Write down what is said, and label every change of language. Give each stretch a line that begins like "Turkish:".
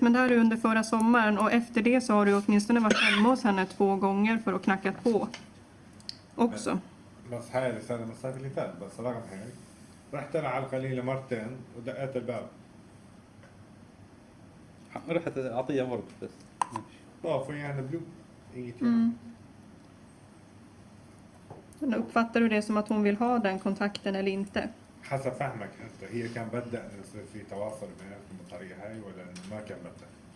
Swedish: Men det här är under förra sommaren och efter det så har du åtminstone varit hemma hos henne två gånger för att knacka på också.
Arabic: بس هاي رسالة مسافة اللي فات بس رغم هيك رحت انا على القليلة مرتين ودقيت الباب. رحت اعطيها مرة بس. طافي انا بلو.
Swedish: Men uppfattar du det som att hon vill ha den kontakten eller inte?
Arabic: حسب فهمك انت هي كان بدها انه يصير في تواصل بينك بالطريقه هاي ولا ما كان بدها؟